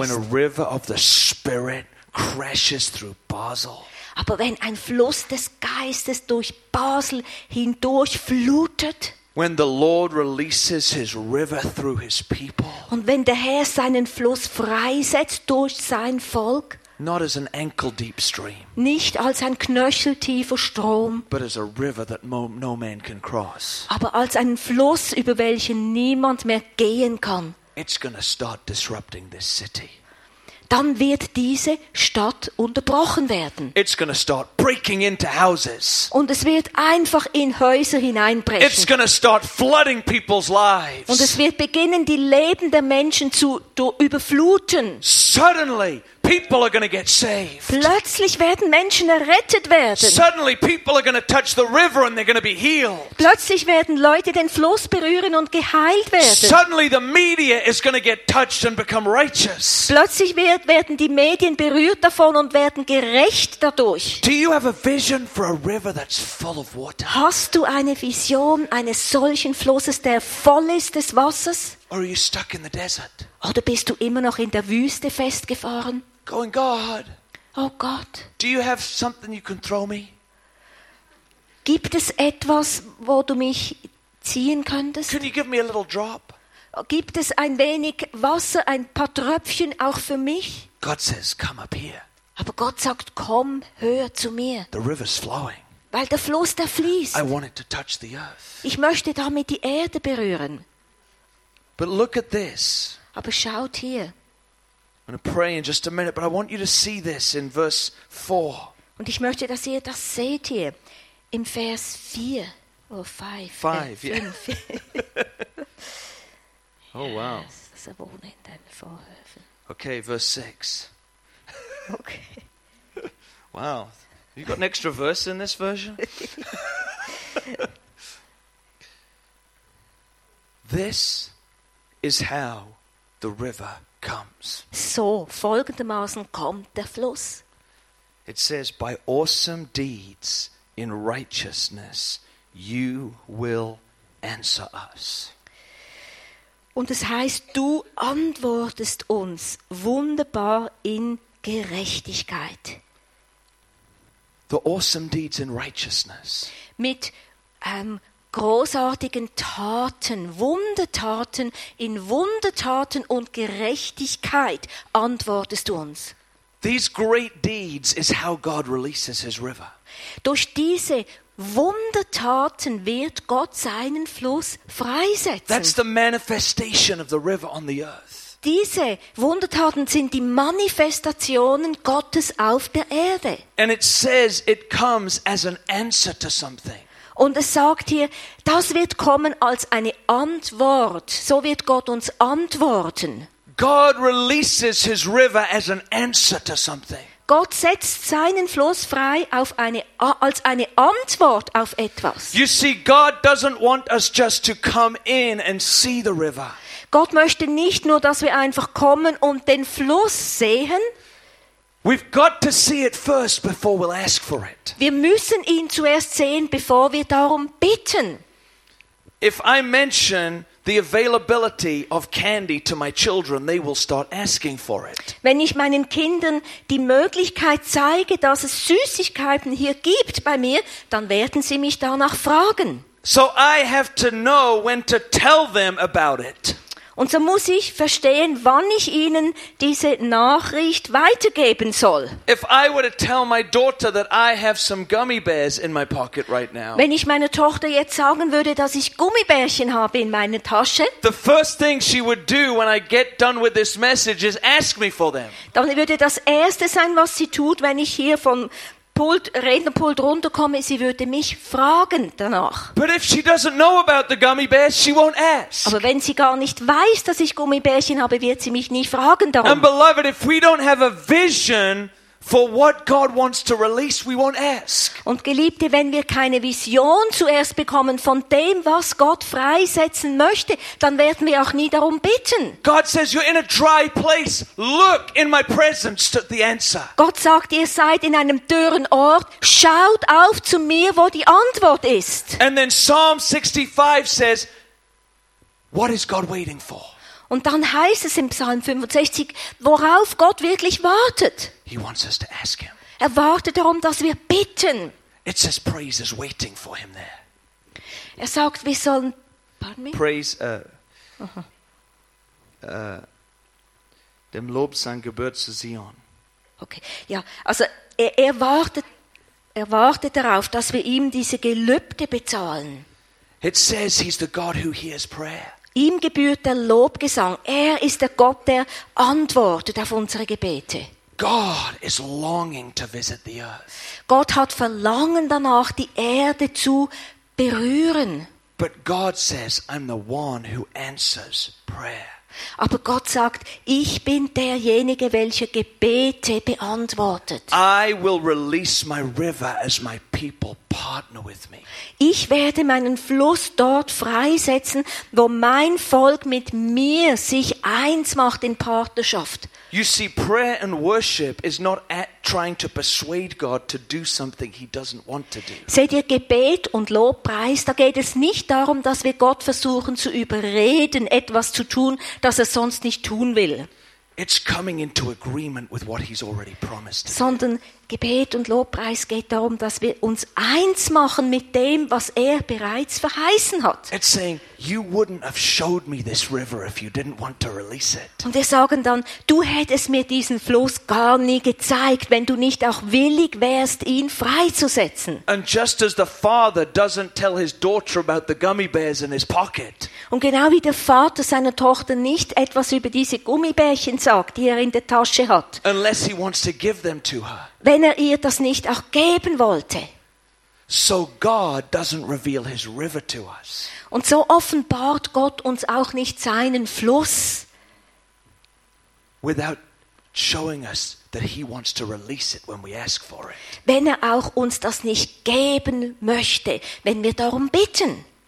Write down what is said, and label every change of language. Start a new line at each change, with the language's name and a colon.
English: When a river of the Spirit crashes through Basel.
German: Aber wenn ein Fluss des Geistes durch Basel hindurch flutet.
English: When the Lord releases his river through his people.
German: Und wenn der Herr seinen Fluss freisetzt durch sein Volk.
English: Not as an ankle deep stream.
German: Nicht als ein knöcheltiefer Strom.
English: But as a river that no man can cross.
German: Aber als einen Fluss, über welchen niemand mehr gehen kann.
English: It's gonna start disrupting this city.
German: Dann wird diese Stadt unterbrochen werden.
English: It's gonna start breaking into houses.
German: Und es wird einfach in Häuser hineinbrechen.
English: It's gonna start flooding people's lives.
German: Und es wird beginnen, die Leben der Menschen zu überfluten.
English: Suddenly, people are gonna get saved.
German: Plötzlich werden Menschen errettet werden.
English: Suddenly, people are gonna touch the river and they're gonna be healed.
German: Plötzlich werden Leute den Fluss berühren und geheilt werden.
English: Suddenly, the media is gonna get touched and become righteous.
German: Plötzlich werden die Medien berührt davon und werden gerecht dadurch.
English: Do you have a vision for a river that's full of water?
German: Hast du eine Vision eines solchen Flusses, der voll ist des Wassers?
English: Or are you stuck in the desert?
German: Oder bist du immer noch in der Wüste festgefahren?
English: Going, God.
German: Oh Gott.
English: Do you have something you can throw me?
German: Gibt es etwas, wo du mich ziehen könntest?
English: Can you give me a little drop?
German: Gibt es ein wenig Wasser, ein paar Tröpfchen auch für mich?
English: God says, come up here.
German: Aber Gott sagt, komm höher zu mir.
English: The river's flowing.
German: Weil der Fluss, der fließt.
English: I want it to touch the earth.
German: Ich möchte damit die Erde berühren.
English: But look at this.
German: Aber schaut hier.
English: I'm going to pray in just a minute, but I want you to see this in verse 4.
German: Und ich möchte, dass ihr das seht hier im Vers 4 oder 5.
English: 5, yeah.
German: Fünf.
English: Oh, wow.
German: Das ist aber ohne in deinen Vorhöfen.
English: Okay, verse 6. Okay. Wow. Have you got an extra verse in this version? This is how the river comes.
German: So, folgendermaßen kommt der Fluss.
English: It says, by awesome deeds in righteousness, you will answer us.
German: Und es heißt, du antwortest uns wunderbar in Gerechtigkeit.
English: The awesome deeds in righteousness.
German: Mit großartigen Taten, Wundertaten, in Wundertaten und Gerechtigkeit antwortest du uns.
English: These great deeds is how God releases his river.
German: Durch diese Wundertaten wird Gott seinen Fluss freisetzen.
English: That's the manifestation of the river on the earth.
German: Diese Wundertaten sind die Manifestationen Gottes auf der Erde.
English: And it says it comes as an answer to something.
German: Und es sagt hier, das wird kommen als eine Antwort. So wird Gott uns antworten.
English: God releases his river as an answer to something.
German: Gott setzt seinen Fluss frei auf als eine Antwort auf etwas.
English: You see, God doesn't want us just to come in and see the river.
German: Gott möchte nicht nur, dass wir einfach kommen und den Fluss sehen.
English: We've got to see it first before we'll ask for it.
German: Wir müssen ihn zuerst sehen, bevor wir darum bitten.
English: If I mention the availability of candy to my children, they will start asking for it.
German: Wenn ich meinen Kindern die Möglichkeit zeige, dass es Süßigkeiten hier gibt bei mir, dann werden sie mich danach fragen.
English: So I have to know when to tell them about it.
German: Und so muss ich verstehen, wann ich ihnen diese Nachricht weitergeben soll.
English: If I were to tell my daughter that I have some gummy bears in my pocket right now.
German: Wenn ich meiner Tochter jetzt sagen würde, dass ich Gummibärchen habe in meiner Tasche.
English: The first thing she would do when I get done with this message is ask me for them.
German: Dann würde das erste sein, was sie tut, wenn ich hier von Pult, Rednerpult runterkomme, sie würde mich fragen danach.
English: But if she doesn't know about the gummy bears, she won't ask.
German: Aber wenn sie gar nicht weiß, dass ich Gummibärchen habe, wird sie mich nie fragen darum.
English: And beloved, if we don't have a vision for what God wants to release, we won't ask.
German: Und Geliebte, wenn wir keine Vision zuerst bekommen von dem, was Gott freisetzen möchte, dann werden wir auch nie darum bitten.
English: God says, you're in a dry place. Look in my presence to the answer.
German: Gott sagt, ihr seid in einem dürren Ort. Schaut auf zu mir, wo die Antwort ist.
English: And then Psalm 65 says, what is God waiting for?
German: Und dann heißt es im Psalm 65, worauf Gott wirklich wartet.
English: He wants us to ask him.
German: Er wartet darum, dass wir bitten.
English: It says praise is waiting for him there.
German: Er sagt, wir sollen,
English: pardon me? Praise,
German: dem Lob sein gebührt zu Zion. Okay, ja, also er wartet darauf, dass wir ihm diese Gelübde bezahlen.
English: It says he's the God who hears prayer.
German: Ihm gebührt der Lobgesang. Er ist der Gott, der antwortet auf unsere Gebete.
English: God is longing to visit the earth.
German: Gott hat Verlangen danach, die Erde zu berühren.
English: But God says, I'm the one who answers prayer.
German: Aber Gott sagt, ich bin derjenige, welcher Gebete beantwortet.
English: I will release my river as my people partner with me.
German: Ich werde meinen Fluss dort freisetzen, wo mein Volk mit mir sich eins macht in Partnerschaft.
English: You see, prayer and worship is not at trying to persuade God to do something he doesn't want to do.
German: Seht ihr, Gebet und Lobpreis, da geht es nicht darum, dass wir Gott versuchen zu überreden, etwas zu tun, das er sonst nicht tun will.
English: It's coming into agreement with what he's already promised.
German: Sondern Gebet und Lobpreis geht darum, dass wir uns eins machen mit dem, was er bereits verheißen hat.
English: It's saying, you wouldn't have showed me this river if you didn't want to release it.
German: Und wir sagen dann, du hättest mir diesen Fluss gar nie gezeigt, wenn du nicht auch willig wärst, ihn freizusetzen.
English: And just as the father doesn't tell his daughter about the gummy bears in his pocket.
German: Und genau wie der Vater seiner Tochter nicht etwas über diese Gummibärchen sagt, die er in der Tasche hat.
English: Unless he wants to give them to her.
German: Wenn er ihr das nicht auch geben wollte.
English: So God doesn't reveal his river to us.
German: Und so offenbart Gott uns auch nicht seinen Fluss.
English: Without showing us that he wants to release it when we ask for it.
German: Wenn er auch uns das nicht geben möchte, wenn wir darum bitten.